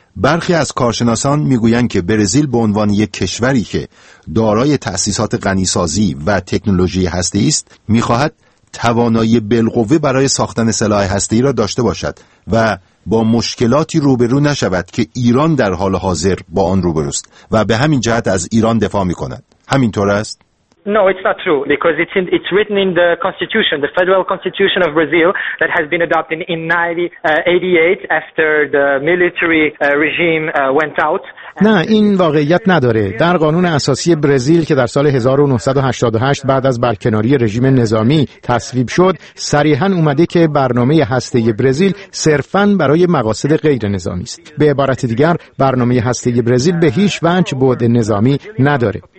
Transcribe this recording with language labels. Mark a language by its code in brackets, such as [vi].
[fa] برخی از کارشناسان میگویند که برزیل به عنوان یک کشوری که دارای تأسیسات غنی‌سازی و تکنولوژی هسته‌ای است، میخواهد توانایی بالقوه برای ساختن سلاح هسته‌ای را داشته باشد و با مشکلاتی روبرو نشود که ایران در حال حاضر با آن روبروست و به همین جهت از ایران دفاع میکند. همینطور است؟ [en] No, it's not true because it's written in the constitution, the federal constitution of Brazil that has been adopted in 1988 after the military regime went out. [fa] نه این واقعیت نداره. در قانون اساسی برزیل که در سال 1988 بعد از برکناری رژیم نظامی تصویب شد، صریحاً اومده که برنامه هسته‌ای برزیل صرفاً برای مقاصد غیر نظامی است. به عبارت دیگر برنامه هسته‌ای برزیل به هیچ وجه بعد نظامی نداره.